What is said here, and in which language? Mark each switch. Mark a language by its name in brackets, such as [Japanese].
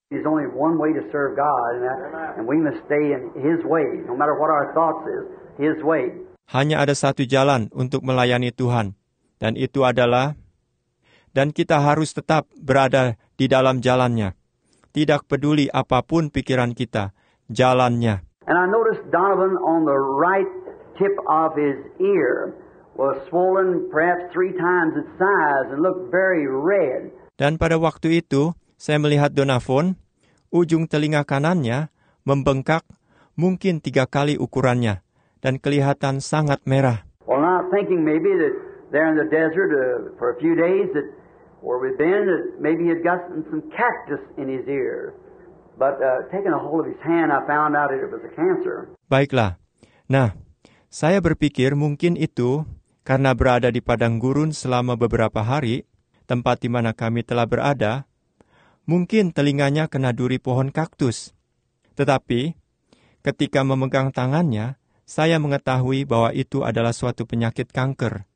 [English] There's only one way to serve God, and we must stay in His way, no matter what our thoughts is, His way. [Indonesian] Hanya ada satu jalan untuk melayani Tuhan, dan itu adalah, dan kita harus tetap berada di dalam jalannya. Tidak peduli apapun pikiran kita, jalannya. [English] And I noticed Donovan on the right tip of his ear was swollen perhaps 3 times its size and looked very red. [Indonesian] Dan pada waktu itu, saya melihat Donovan, ujung telinga kanannya membengkak mungkin 3 kali ukurannya dan kelihatan sangat merah. [English] Well, now thinking maybe that there in the desert for a few days that where we've been, that maybe he'd gotten some cactus in his ear. But taking a hold of his hand, I found out that it was a cancer. [Indonesian] Baiklah. Nah, saya berpikir mungkin itu karena berada di padang gurun selama beberapa hari, tempat di mana kami telah berada, mungkin telinganya kena duri pohon kaktus. Tetapi, ketika memegang tangannya, saya mengetahui bahwa itu adalah suatu penyakit kanker.